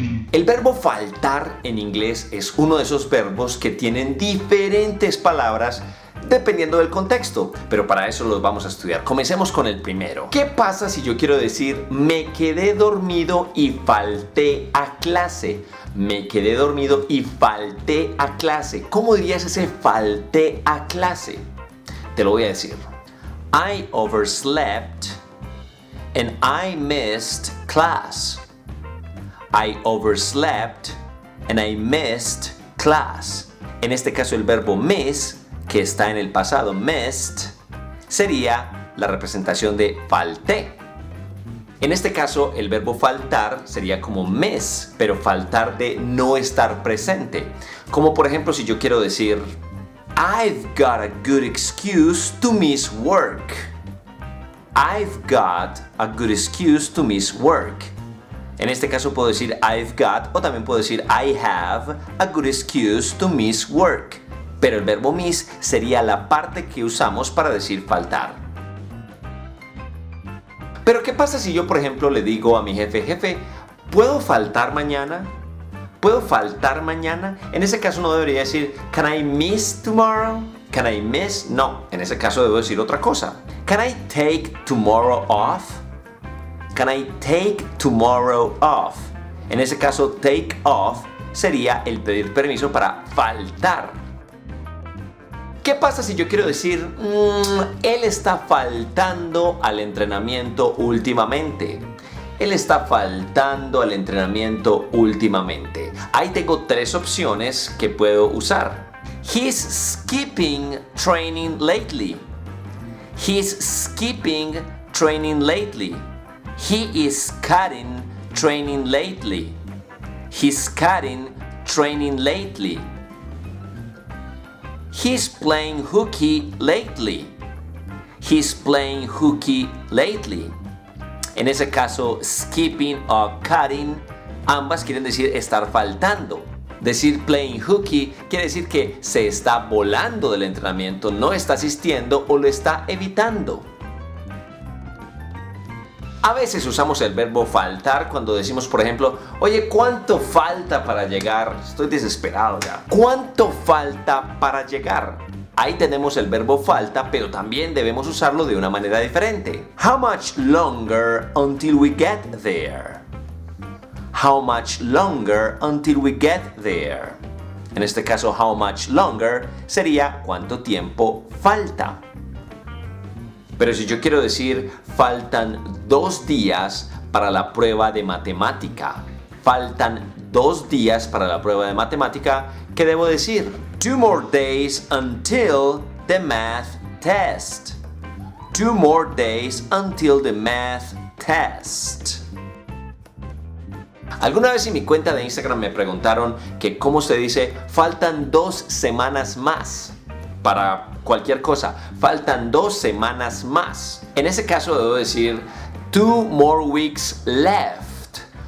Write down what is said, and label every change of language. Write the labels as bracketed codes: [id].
[es] El verbo faltar en inglés es uno de esos verbos que tienen diferentes palabras dependiendo del contexto, pero para eso los vamos a estudiar. Comencemos con el primero. ¿Qué pasa si yo quiero decir me quedé dormido y falté a clase? Me quedé dormido y falté a clase. ¿Cómo dirías ese falté a clase? Te lo voy a decir. [en] I overslept and I missed class. I overslept and I missed class. [es] En este caso el verbo miss, que está en el pasado, missed, sería la representación de falté. En este caso el verbo faltar sería como miss, pero faltar de no estar presente. Como por ejemplo si yo quiero decir [en] I've got a good excuse to miss work. I've got a good excuse to miss work. [es] En este caso puedo decir [en] I've got [es] o también puedo decir [en] I have a good excuse to miss work. [es] Pero el verbo miss sería la parte que usamos para decir faltar. Pero ¿qué pasa si yo, por ejemplo, le digo a mi jefe, jefe, ¿puedo faltar mañana? ¿Puedo faltar mañana? En ese caso no debería decir [en] can I miss tomorrow? Can I miss? [es] No, en ese caso debo decir otra cosa. [en] Can I take tomorrow off? Can I take tomorrow off? [es] En ese caso, take off sería el pedir permiso para faltar. ¿Qué pasa si yo quiero decir, él está faltando al entrenamiento últimamente? Él está faltando al entrenamiento últimamente. Ahí tengo tres opciones que puedo usar. [en] He's skipping training lately. He's skipping training lately. He is cutting training lately. He's cutting training lately. He's playing hooky lately. He's playing hooky lately. [es] En ese caso, skipping o cutting, ambas quieren decir estar faltando. Decir playing hooky quiere decir que se está volando del entrenamiento, no está asistiendo o lo está evitando. A veces usamos el verbo faltar cuando decimos, por ejemplo, oye, ¿cuánto falta para llegar? Estoy desesperado ya. ¿Cuánto falta para llegar? Ahí tenemos el verbo falta, pero también debemos usarlo de una manera diferente. [en] How much longer until we get there? How much longer until we get there? [es] En este caso, how much longer sería cuánto tiempo falta. Pero si yo quiero decir, faltan 2 días para la prueba de matemática. Faltan 2 días para la prueba de matemática, ¿qué debo decir? [en] 2 more days until the math test. 2 more days until the math test. [es] Alguna vez en mi cuenta de Instagram me preguntaron que cómo se dice, faltan 2 semanas más. Para cualquier cosa, faltan 2 semanas más. En ese caso debo decir [en] 2 more weeks left.